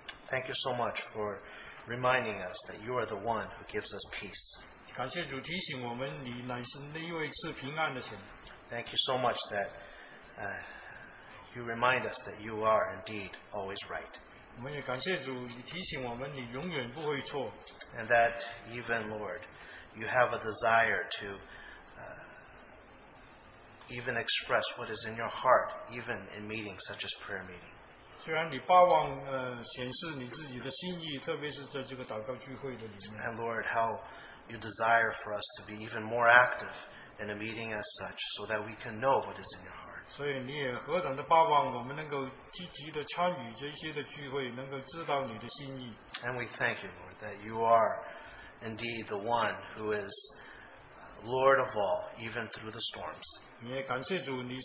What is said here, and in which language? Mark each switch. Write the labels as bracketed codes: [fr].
[en] Thank you so much for reminding us that you are the one who gives us peace. Thank you so much that you remind us that you are indeed always right. [zh] 我们也感谢主，你提醒我们，你永远不会错。 [en] And that even Lord, you have a desire to even express what is in your heart, even in meetings such as prayer meeting. [zh] 虽然你巴望显示你自己的心意，特别是在这个祷告聚会的里面。 [en] And Lord, how you desire for us to be even more active in a meeting as such, so that we can know what is in your heart. [zh] 所以你也何等的巴望我们能够积极的参与这些的聚会，能够知道你的心意。 [en] And we thank you, Lord, that you are indeed the one who is Lord of all, even through the storms.